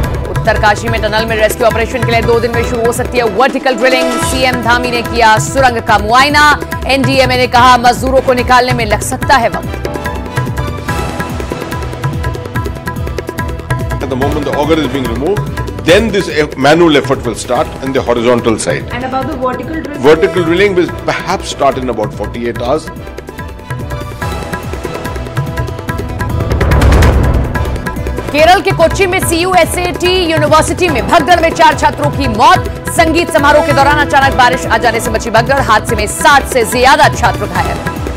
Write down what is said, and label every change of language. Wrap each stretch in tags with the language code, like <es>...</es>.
<hi>उत्तरकाशी में टनल में rescue operation के लिए 2 दिन में शुरू हो सकती है वर्टिकल ड्रिलिंग। सीएम धामी ने किया सुरंग का मुआयना। एनडीएमए ने कहा मजदूरों को निकालने में लग सकता है वक्त।</hi> <en>At the moment the auger is being removed then this manual effort will start in the horizontal side. And about the vertical drilling? Vertical drilling will perhaps start in about 48 hours.</en> <hi>Kerala के कोच्चि में CUSAT university में भगदड़ में 4 छात्रों की मौत। संगीत समारोह के दौरान अचानक बारिश आ जाने से बची भगदड़। हादसे में 60 से ज्यादा छात्र घायल।</hi>